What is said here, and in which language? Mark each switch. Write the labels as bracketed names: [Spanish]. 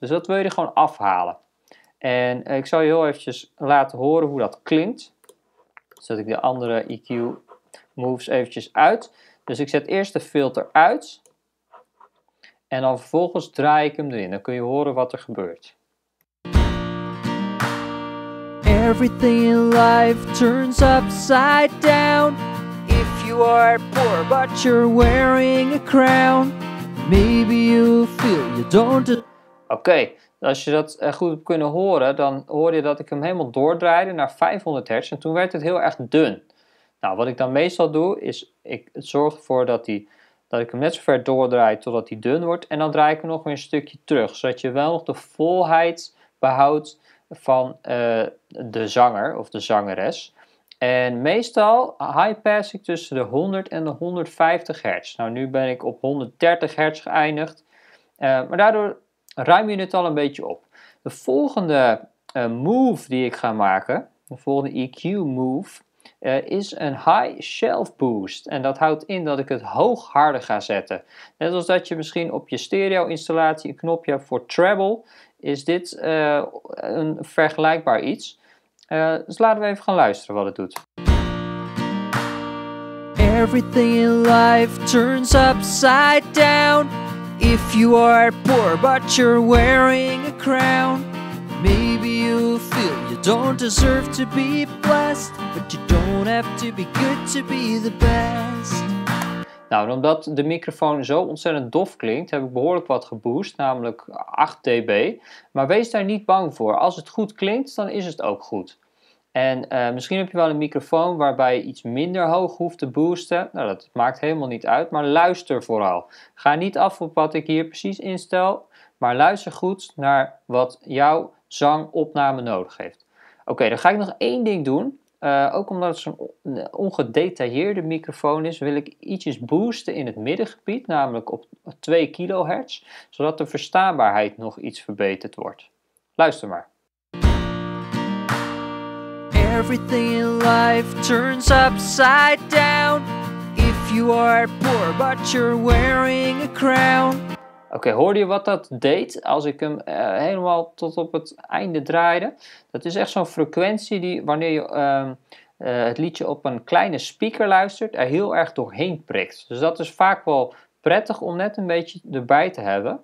[Dutch] Dus dat wil je gewoon afhalen. En ik zal je heel eventjes laten horen hoe dat klinkt. Zet ik de andere EQ moves eventjes uit. Dus ik zet eerst de filter uit. En dan vervolgens draai ik hem erin. Dan kun je horen wat er gebeurt. [English] Everything in life turns upside down. You are poor, but you're wearing a crown. Maybe you feel you don't. Oké, [Dutch] Als je dat goed hebt kunnen horen, dan hoorde je dat ik hem helemaal doordraaide naar 500 hertz. En toen werd het heel erg dun. Nou, wat ik dan meestal doe, is ik zorg ervoor dat ik hem net zo ver doordraai totdat hij dun wordt. En dan draai ik hem nog weer een stukje terug, zodat je wel nog de volheid behoudt van de zanger of de zangeres. En meestal high-pass ik tussen de 100 en de 150 hertz. Nou, nu ben ik op 130 hertz geëindigd. Maar daardoor ruim je het al een beetje op. De volgende move die ik ga maken, de volgende EQ move, is een high shelf boost. En dat houdt in dat ik het hoog harder ga zetten. Net als dat je misschien op je stereo installatie een knopje hebt voor treble, is dit een vergelijkbaar iets. Dus laten we even gaan luisteren wat het doet. [English] Everything in life turns upside down. If you are poor but you're wearing a crown, maybe you feel you don't deserve to be blessed, but you don't have to be good to be the best. [Dutch] Nou, omdat de microfoon zo ontzettend dof klinkt, heb ik behoorlijk wat geboost, namelijk 8 dB. Maar wees daar niet bang voor. Als het goed klinkt, dan is het ook goed. En misschien heb je wel een microfoon waarbij je iets minder hoog hoeft te boosten. Nou, dat maakt helemaal niet uit, maar luister vooral. Ga niet af op wat ik hier precies instel, maar luister goed naar wat jouw zangopname nodig heeft. Oké, dan ga ik nog één ding doen. Ook omdat het zo'n ongedetailleerde microfoon is, wil ik ietsjes boosten in het middengebied, namelijk op 2 kHz, zodat de verstaanbaarheid nog iets verbeterd wordt. Luister maar. [English] Everything in life turns upside down. If you are poor but you're wearing a crown. [Dutch] Oké, hoorde je wat dat deed als ik hem helemaal tot op het einde draaide? Dat is echt zo'n frequentie die wanneer je het liedje op een kleine speaker luistert, er heel erg doorheen prikt. Dus dat is vaak wel prettig om net een beetje erbij te hebben.